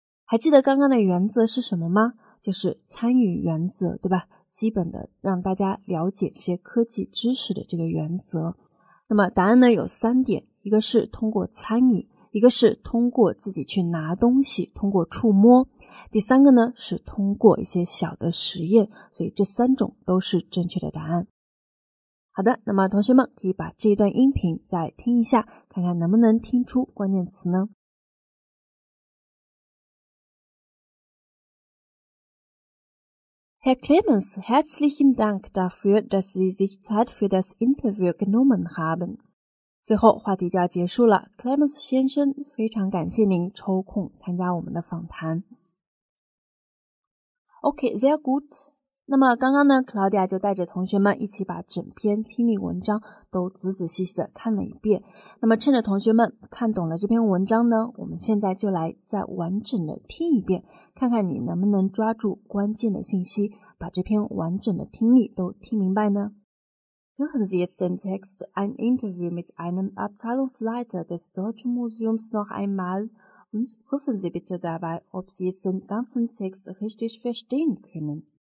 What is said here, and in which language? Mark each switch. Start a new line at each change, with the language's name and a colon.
Chinese: 还记得刚刚的原则是什么吗？就是参与原则，对吧？基本的让大家了解这些科技知识的这个原则。那么答案呢有三点，一个是通过参与，一个是通过自己去拿东西，通过触摸，第三个呢是通过一些小的实验，所以这三种都是正确的答案。好的，那么同学们可以把这一段音频再听一下，看看能不能听出关键词呢？
German: Herr Clemens, herzlichen Dank dafür, dass Sie sich Zeit für das Interview genommen haben.
Chinese: 最后话题就要结束了， Clemens 先生，非常感谢您抽空参加我们的访谈。
German: Okay, sehr gut.
Chinese: 那么刚刚呢 ,Claudia 就带着同学们一起把整篇听力文章都仔仔细细的看了一遍。那么趁着同学们看懂了这篇文章呢，我们现在就来再完整的听一遍，看看你能不能抓住关键的信息，把这篇完整的听力都听明白呢。
German: Hören Sie jetzt den Text ein Interview mit einem Abteilungsleiter des Deutschen Museums noch einmal und prüfen Sie bitte dabei, ob Sie jetzt den ganzen Text richtig verstehen können.